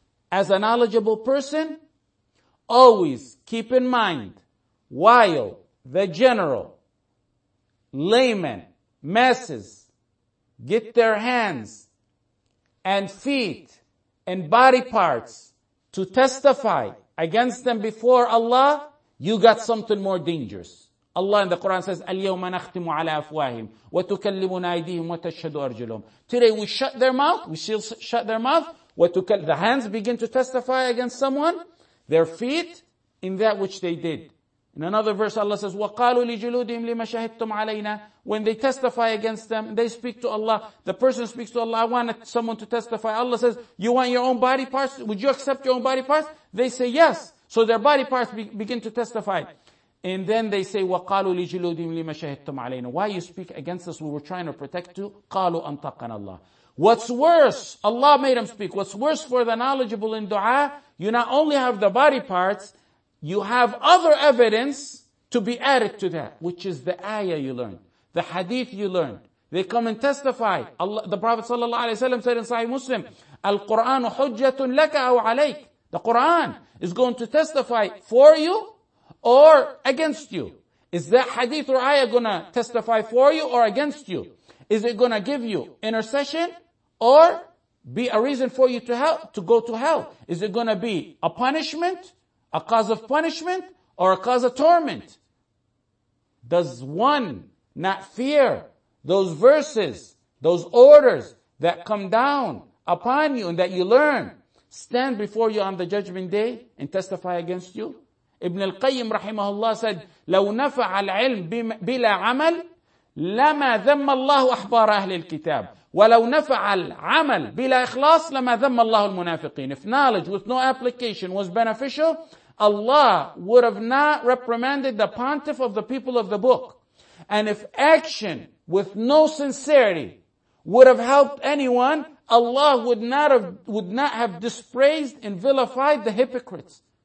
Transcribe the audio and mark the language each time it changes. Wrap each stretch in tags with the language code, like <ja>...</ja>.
<en>As a knowledgeable person, always keep in mind, while the general, layman, masses get their hands and feet and body parts to testify against them before Allah, you got something more dangerous. Allah in the Quran says,</en> <ar>الْيَوْمَ نَخْتِمُ عَلَىٰ أَفْوَاهِمْ وَتُكَلِّمُنَا أَيْدِيهِمْ وَتَشْهَدُ أَرْجُلُهُمْ.</ar> <en>Today we shut their mouth, we still shut their mouth, the hands begin to testify against someone, their feet, in that which they did. In another verse, Allah says,</en> <ar>وَقَالُوا لِجُلُودِهِمْ لِمَ شَهِدْتُمْ عَلَيْنَا.</ar> <en>When they testify against them, they speak to Allah, the person speaks to Allah, I want someone to testify. Allah says, you want your own body parts? Would you accept your own body parts? They say, yes. So their body parts begin to testify. And then they say,</en> <ar>وَقَالُوا لِجُلُودِهِمْ لِمَ شَهِدْتُمْ عَلَيْنَا.</ar> <en>Why you speak against us? We were trying to protect you.</en> <ar>قَالُوا أَنطَقَنَا اللَّهُ.</ar> <en>What's worse, Allah made him speak. What's worse for the knowledgeable in dua, you not only have the body parts, you have other evidence to be added to that, which is the ayah you learned, the hadith you learned. They come and testify. Allah, the Prophet sallallahu alaihi wasallam said in Sahih Muslim,</en> <ar>Al-Quran hujjatun laka aw alayk.</ar> <en>The Quran is going to testify for you or against you. Is that hadith or ayah gonna testify for you or against you? Is it going to give you intercession or be a reason for you to go to hell? Is it going to be a punishment, a cause of punishment, or a cause of torment? Does one not fear those verses, those orders that come down upon you and that you learn stand before you on the judgment day and testify against you? Ibn al-Qayyim rahimahullah said,</en> <ar>لو نفع العلم بلا عمل لَمَا ذَمَّ اللَّهُ أَحْبَارَ أَهْلِ الْكِتَابِ وَلَوْ نَفَعَ الْعَمَلِ بِلَا إِخْلَاصِ لَمَا ذَمَّ اللَّهُ الْمُنَافِقِينَ.</ar> <en>If knowledge with no application was beneficial, Allah would have not reprimanded the pontiff of the people of the book. And if action with no sincerity would have helped anyone, Allah would not have dispraised and vilified the hypocrites.</en>